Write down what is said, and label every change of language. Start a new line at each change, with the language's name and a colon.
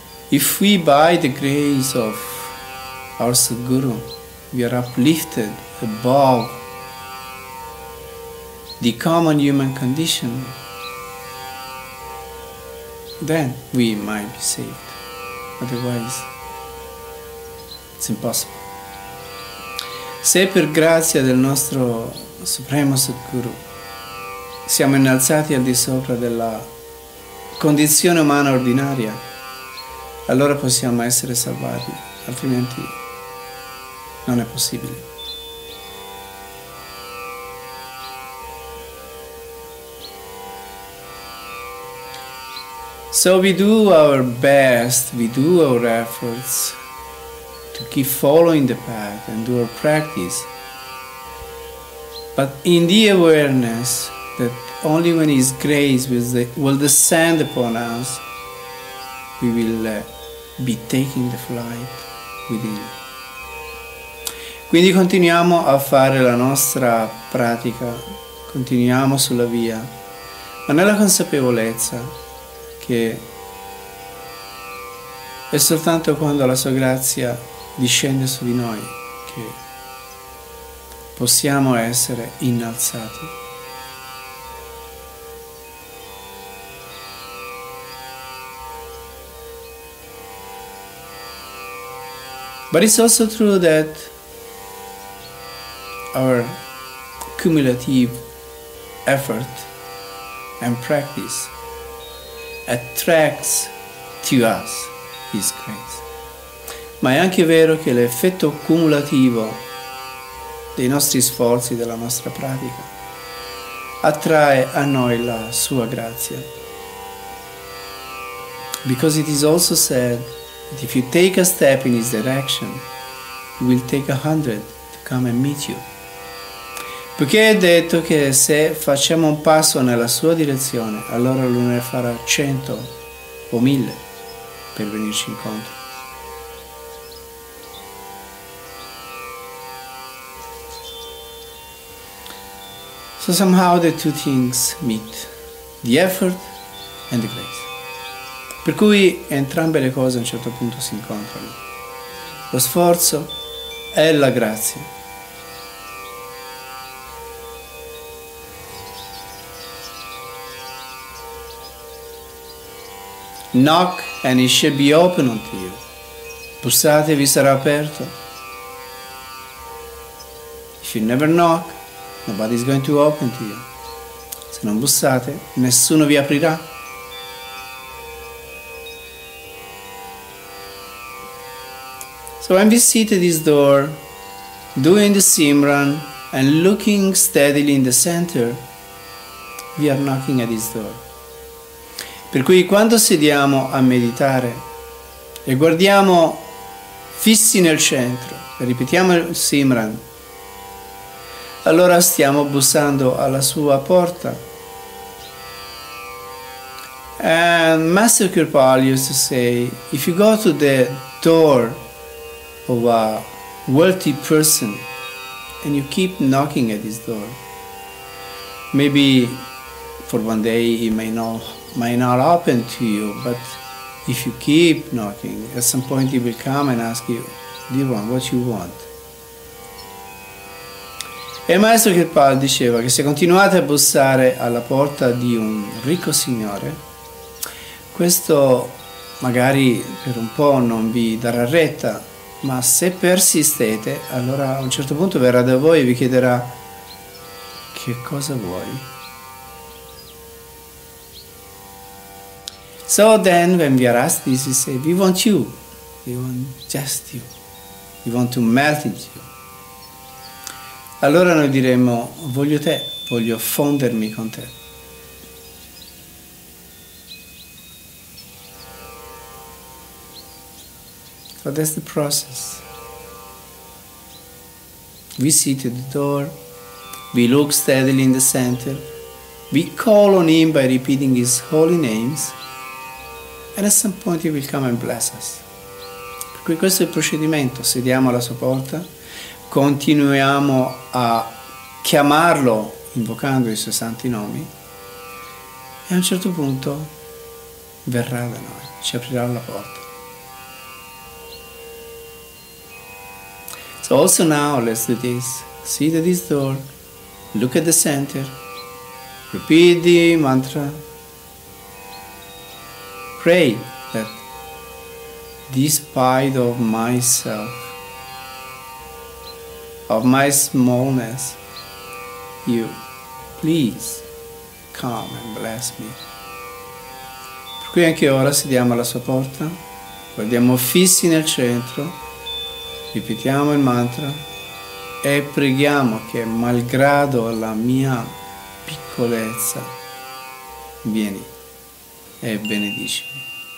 English: If we by the grace of our Satguru, we are uplifted above the common human condition, then we might be saved. Otherwise, it's impossible.
Italian: Se per grazia del nostro Supremo Satguru siamo innalzati al di sopra della condizione umana ordinaria, allora possiamo essere salvati, altrimenti non è possibile.
English: So we do our best, we do our efforts to keep following the path and do our practice, but in the awareness that only when His grace will descend upon us, we will be taking the flight with Him.
Italian: Quindi continuiamo a fare la nostra pratica, continuiamo sulla via, ma nella consapevolezza che è soltanto quando la sua grazia discende su di noi che possiamo essere innalzati.
English: But it's also true that our cumulative effort and practice attracts to us His grace.
Italian: Ma è anche vero che l'effetto cumulativo dei nostri sforzi, della nostra pratica, attrae a noi la Sua grazia.
English: Because it is also said that if you take a step in His direction, He will take 100 to come and meet you.
Italian: Perché è detto che se facciamo un passo nella sua direzione, allora lui ne farà 100 o 1000 per venirci incontro.
English: So somehow the two things meet, the effort and the grace.
Italian: Per cui entrambe le cose a un certo punto si incontrano. Lo sforzo e la grazia.
English: Knock and it shall be open unto you.
Italian: Bussate, vi sarà aperto.
English: If you never knock, nobody is going to open to you.
Italian: Se non bussate, nessuno vi aprirà.
English: So when we sit at this door, doing the simran and looking steadily in the center, we are knocking at this door.
Italian: Per cui quando sediamo a meditare e guardiamo fissi nel centro, ripetiamo il Simran, allora stiamo bussando alla sua porta.
English: And Master Kirpal used to say, if you go to the door of a wealthy person and you keep knocking at his door, maybe for one day he may not open to you, but if you keep knocking, at some point he will come and ask you, dear one, what you want?
Italian: E Maestro Kirpal diceva che se continuate a bussare alla porta di un ricco signore, Questo magari per un po' non vi darà retta, ma se persistete, allora a un certo punto verrà da voi e vi chiederà: che cosa vuoi?
English: So then, when we are asked this, we say, we want you. We want just you. We want to melt in you.
Italian: Allora noi diremo, voglio te, voglio fondermi con te.
English: So that's the process. We sit at the door, we look steadily in the center, we call on him by repeating his holy names, and at some point he will come and bless us.
Italian: Per cui questo è il procedimento, sediamo alla sua porta, continuiamo a chiamarlo invocando i suoi santi nomi e a un certo punto verrà da noi, ci aprirà la porta.
English: So also now let's do this. Sit at this door, look at the center, repeat the mantra, pray that this part of myself, of my smallness, you please come and bless me.
Italian: Per cui anche ora sediamo alla sua porta, guardiamo fissi nel centro, ripetiamo il mantra e preghiamo che malgrado la mia piccolezza, vieni e benedicimi.